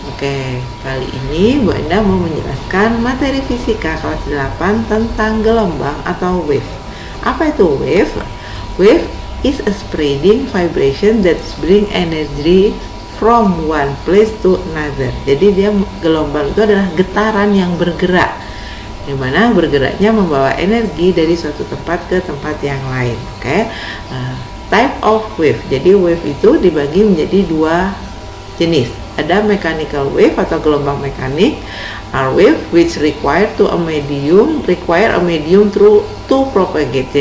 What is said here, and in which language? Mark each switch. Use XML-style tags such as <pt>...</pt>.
<id>Oke, kali ini Bu Endah mau menjelaskan materi fisika kelas 8 tentang gelombang atau wave. Apa itu wave?</id> <en>Wave is a spreading vibration that bring energy from one place to another.</en> <id>Jadi dia gelombang itu adalah getaran yang bergerak, di mana bergeraknya membawa energi dari suatu tempat ke tempat yang lain. Oke.</id> <en>Type of wave.</en> <id>Jadi wave itu dibagi menjadi dua jenis.</id> <en>Ada mechanical wave</en> <id>atau gelombang mekanik,</id> <en>R wave which require to a medium, require a medium through to propagate.</en>